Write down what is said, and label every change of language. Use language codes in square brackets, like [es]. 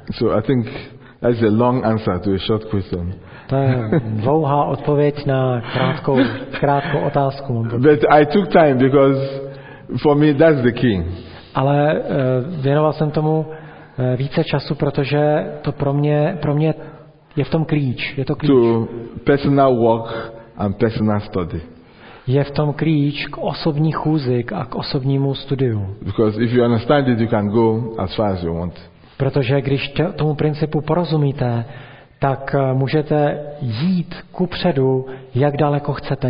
[en] So I think that's a long answer to a short question. [cs] To je dlouhá odpověď na krátkou otázku. [en] But I took time because for me that's the key. [cs] Ale věnoval jsem tomu více času, protože to pro mě je v tom klíč. Je to klíč. [en] To personal walk and personal study. [cs] Je v tom klíč k osobní chůzi a k osobnímu studiu. [en] Because if you understand it, you can go as far as you want. [cs] Protože když tomu principu porozumíte, tak můžete jít kupředu, jak daleko chcete.